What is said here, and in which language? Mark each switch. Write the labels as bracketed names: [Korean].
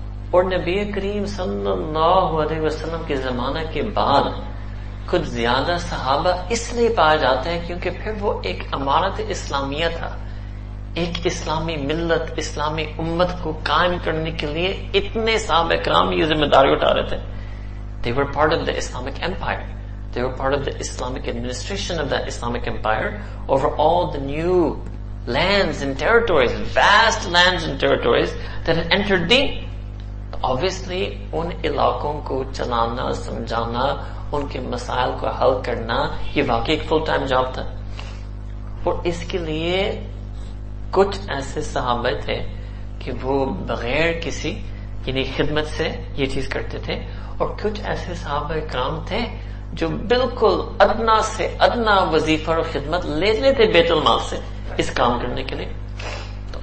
[Urdu] اور نبی کریم صلی اللہ علیہ وسلم کے زمانہ کے بعد کچھ زیادہ صحابہ اس لیے پائے جاتے ہیں کیونکہ پھر وہ ایک امارت اسلامیہ تھا, ایک اسلامی ملت اسلامی امت کو قائم کرنے کے لیے اتنے صحابہ کرام یہ ذمہ داری اٹھا رہے تھے. [English] They were part of the Islamic empire. They were part of the Islamic administration of that Islamic empire over all the new lands and territories, vast lands and territories that had entered the obviously [Urdu] ان علاقوں کو چلانا سمجھانا ان کے مسائل کو حل کرنا یہ واقعی ایک فل ٹائم جاب تھا. اور اس کے لیے کچھ ایسے صحابہ تھے کہ وہ بغیر کسی یعنی خدمت سے یہ چیز کرتے تھے, اور کچھ ایسے صحابہ کرام تھے جو بالکل ادنا سے ادنا وظیفہ اور خدمت لے لیتے بیت المال سے اس کام کرنے کے لیے. تو